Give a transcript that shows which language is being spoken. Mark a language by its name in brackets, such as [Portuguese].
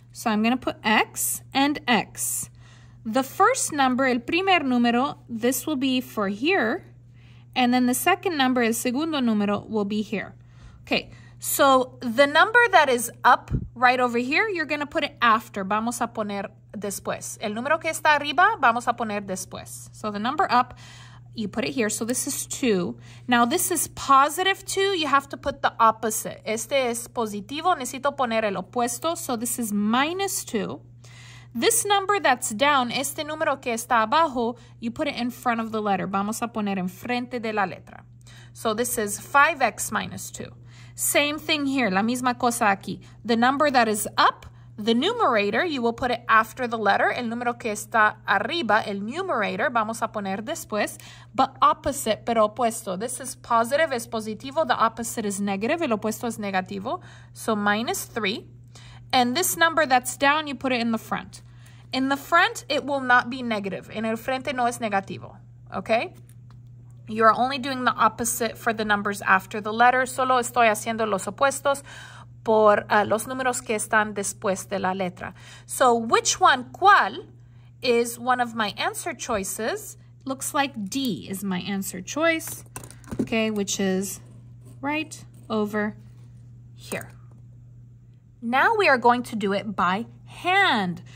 [English] So I'm going to put X and X. The first number, [Spanish] el primer número, [English] this will be for here. And then the second number, [Spanish] el segundo número, [English] will be here. Okay, so the number that is up right over here, you're going to put it after. [Spanish] Vamos a poner después. El número que está arriba, vamos a poner después. [English] So the number up, you put it here. So this is 2. Now this is positive 2. You have to put the opposite. [Spanish] Este es positivo. Necesito poner el opuesto. [English] So this is minus 2. This number that's down, [Spanish] este número que está abajo, [English] you put it in front of the letter. [Spanish] Vamos a poner enfrente de la letra. [English] So this is 5x minus 2. Same thing here. [Spanish] La misma cosa aquí. [English] The number that is up, the numerator, you will put it after the letter. [Spanish] El número que está arriba, el numerator, vamos a poner después. [English] But opposite, [Spanish] pero opuesto. [English] This is positive, [Spanish] es positivo. [English] The opposite is negative. [Spanish] El opuesto es negativo. [English] So minus 3. And this number that's down, you put it in the front. In the front, it will not be negative. [Spanish] En el frente no es negativo. [English] Okay? You are only doing the opposite for the numbers after the letter. [Spanish] Solo estoy haciendo los opuestos por los números que están después de la letra. [English] So which one, [Spanish] cuál, [English] is one of my answer choices? Looks like D is my answer choice, okay, which is right over here. Now we are going to do it by hand.